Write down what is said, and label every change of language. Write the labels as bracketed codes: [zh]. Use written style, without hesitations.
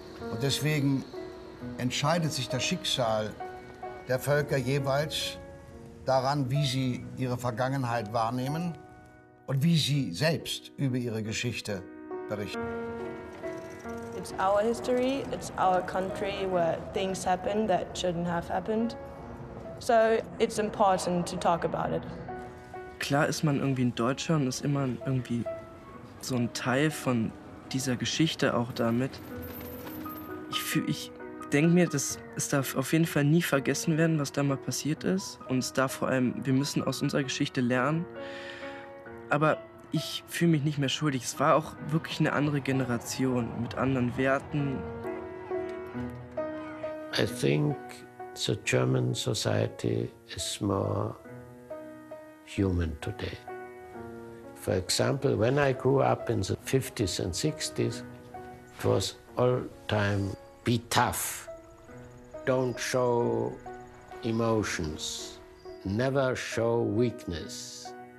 [de] Und deswegen entscheidet sich das Schicksal der Völker jeweils daran, wie sie ihre Vergangenheit wahrnehmen und wie sie selbst über ihre Geschichte berichten. [en] It's our history, it's our country where things happen that shouldn't have happened. So it's important to talk about it. [de] Klar ist man irgendwie ein Deutscher und ist immer irgendwie so ein Teil von dieser Geschichte auch damit. Ich denke mir, dass es darf auf jeden Fall nie vergessen werden, was da mal passiert ist. Und es darf vor allem, wir müssen aus unserer Geschichte lernen. Aber ich fühle mich nicht mehr schuldig. Es war auch wirklich eine andere Generation mit anderen Werten. [en] I think the German society is more human today. For example, when I grew up in the 50s and 60s, it was all time be tough, don't show emotions, never show weakness.